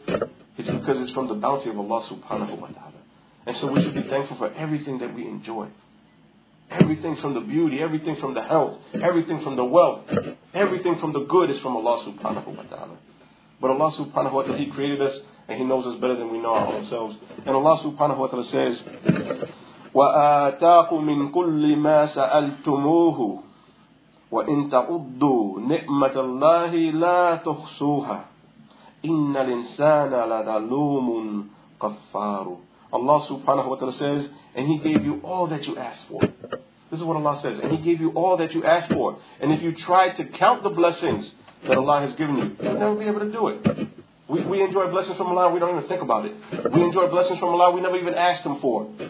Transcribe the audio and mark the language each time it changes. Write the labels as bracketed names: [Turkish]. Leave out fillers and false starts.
[English] It's because it's from the bounty of Allah subhanahu wa ta'ala. And so we should be thankful for everything that we enjoy. Everything from the beauty, everything from the health, everything from the wealth, everything from the good is from Allah subhanahu wa ta'ala. But Allah subhanahu wa ta'ala, he created us and he knows us better than we know ourselves. And Allah subhanahu wa ta'ala says, [Arabic] وَآتَاكُم مِّن كُلِّ مَا سَأَلْتُمُوهُ وَإِن تَعُدُّوا نِعْمَةَ اللَّهِ لَا تُحْصُوهَا إِنَّ الْإِنسَانَ لَظَلُومٌ كَفَّارٌ. [English] Allah subhanahu wa ta'ala says, and he gave you all that you asked for. This is what Allah says, and he gave you all that you asked for. And if you try to count the blessings that Allah has given you, you'll never be able to do it. We enjoy blessings from Allah, we don't even think about it. We enjoy blessings from Allah, we never even asked him for.